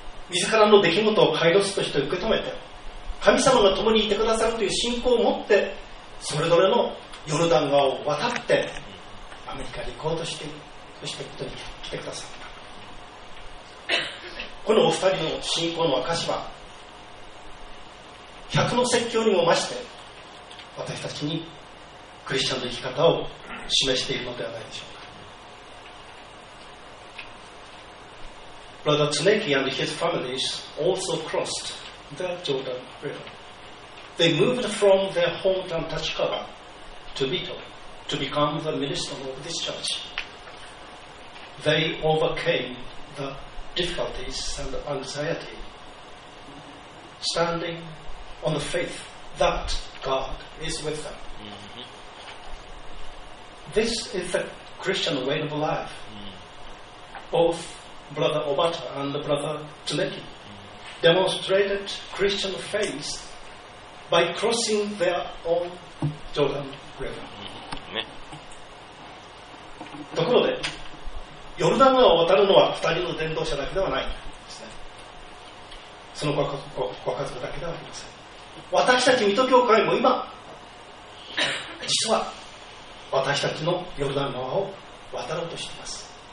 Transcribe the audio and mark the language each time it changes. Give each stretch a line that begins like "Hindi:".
Japanese: 自らの出来事をカイロスとして受け止めて、神様が共にいてくださるという信仰を持って、それぞれのヨルダン川を渡ってアメリカに行こうとしている、そして本当に来てくださった。このお二人の信仰の証は、百の説教にも増して私たちにクリスチャンの生き方を示しているのではないでしょうか。
English: Brother Tsuneki and his family also crossed the Jordan River. They moved from their hometown Tachikawa to Mito to become the minister of this church. They overcame the difficulties and the anxiety, standing on the faith that God is with them. This is the Christian way of life. Both Brother Obata and Brother Tsuneki demonstrated Christian faith by crossing their own Jordan River.
Japanese: ところで、ヨルダン川を渡るのは二人の伝道者だけではないんですね。そのご家族だけではありません。私たち水戸教会も今、実は私たちのヨルダン川を渡ろうとしています。